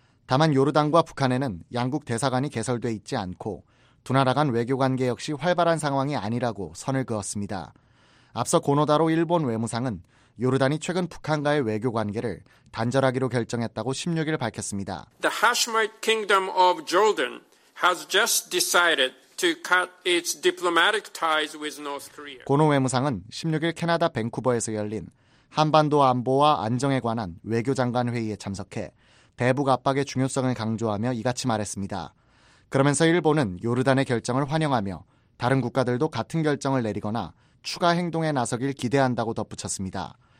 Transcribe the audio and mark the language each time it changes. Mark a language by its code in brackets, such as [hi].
[ko] 다만 요르단과 북한에는 양국 대사관이 개설돼 있지 않고 두 나라 간 외교 관계 역시 활발한 상황이 아니라고 선을 그었습니다. 앞서 고노다로 일본 외무상은 요르단이 최근 북한과의 외교 관계를 단절하기로 결정했다고 16일 밝혔습니다. [en] The Hashemite Kingdom of Jordan has just decided to cut its diplomatic ties with North Korea. [ko] 고노 외무상은 16일 캐나다 밴쿠버에서 열린 한반도 안보와 안정에 관한 외교장관 회의에 참석해 대북 압박의 중요성을 강조하며 이같이 말했습니다. 그러면서 일본은 요르단의 결정을 환영하며 다른 국가들도 같은 결정을 내리거나 추가 행동에 나서길 기대한다고 덧붙였습니다.